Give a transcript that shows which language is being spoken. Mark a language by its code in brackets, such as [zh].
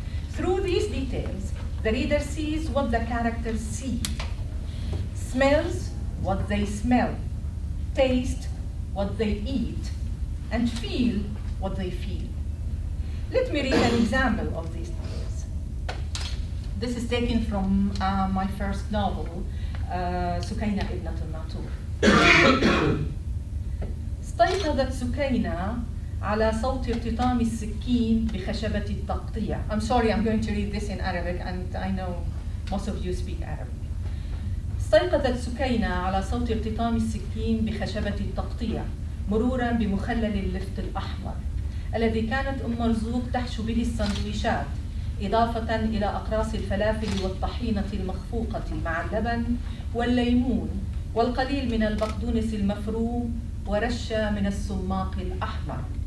[en] Through these details, the reader sees what the characters see, smells what they smell, taste what they eat, and feel what they feel. Let me read an example of these details. This is taken from my first novel, Sukaina ibn al-Matur. [ar] استيقظت سكينة على صوت ارتطام السكين بخشبة التقطيع. [en] I'm sorry, I'm going to read this in Arabic, and I know most of you speak Arabic. [ar] استيقظت سكينة على صوت ارتطام السكين بخشبة التقطيع مرورا بمخلل اللفت الأحمر الذي كانت أم مرزوق تحشو به السندويشات إضافة إلى أقراص الفلافل والطحينة المخفوقة مع اللبن والليمون والقليل من البقدونس المفروم ورشة من السماق الأحمر.